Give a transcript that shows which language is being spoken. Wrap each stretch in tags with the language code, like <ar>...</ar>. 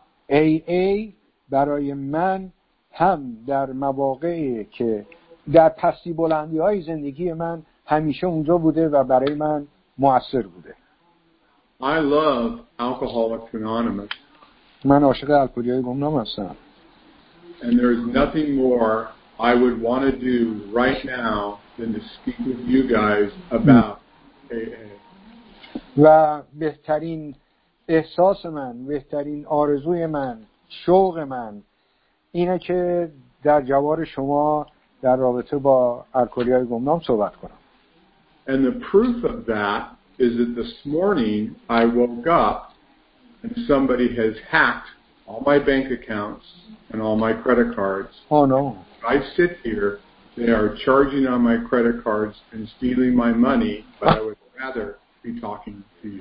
<fa>AA برای من هم در مواقعی که در پستی بلندی های زندگی من همیشه اونجا بوده و برای من مؤثر بوده.</fa> <en>I love Alcoholics Anonymous.</en> <fa>من عاشق الکلی‌های گمنام هستم.</fa> <en>And there is nothing more I would want to do right now than to speak with you guys about AA.</en> <fa>و بهترین احساس من، بهترین آرزوی من، شوق من اینه که در جوار شما در رابطه با الکلی‌های گمنام صحبت کنم.</fa> <en>And the proof of that is that this morning I woke up and somebody has hacked all my bank accounts and all my credit cards. Oh no. I sit here, they are charging on my credit cards and stealing my money, but I would rather be talking to you.</en>